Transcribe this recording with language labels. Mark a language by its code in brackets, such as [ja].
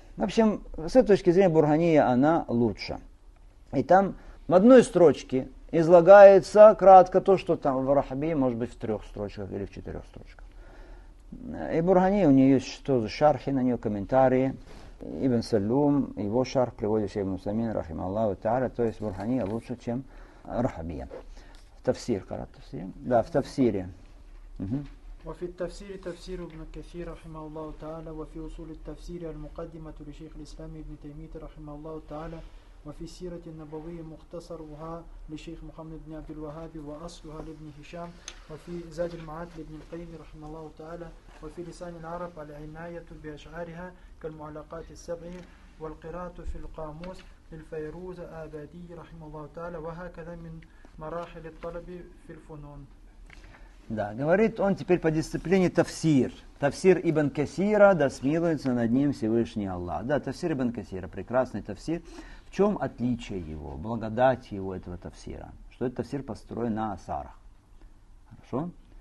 [ru] В общем, с этой точки зрения Бурхания она лучше. И там в одной строчке излагается кратко то, что там в Рахабии может быть в трех строчках или в четырех строчках. И Бурхания, у нее есть что за шархи, на нее комментарии. Ибн Саллум, его шарх приводит Шейх Мусамин, рахима Аллаху Та'аля, то есть Бурхания лучше, чем Рахабия. Тафсир, карат тафсир. Да, в тафсире. [ar] وفي التفسير تفسير ابن كثير رحمه الله تعالى وفي أصول التفسير المقدمة لشيخ الإسلام ابن تيمية رحمه الله تعالى وفي السيرة النبوية مختصرها لشيخ محمد بن عبد الوهاب وأصلها لابن هشام وفي زاد المعاد لابن القيم رحمه الله تعالى وفي لسان العرب العناية بأشعارها كالمعلقات السبع والقراءة في القاموس للفيروز آبادي رحمه الله تعالى وهكذا من مراحل الطلب في الفنون. [ru] Да, говорит он теперь по дисциплине тафсир. Тафсир Ибн Касира, да смилуется над ним Всевышний Аллах. Да, тафсир Ибн Касира, прекрасный тафсир. В чем отличие его, благодать его, этого тафсира? Что этот тафсир построен на асарах. Хорошо?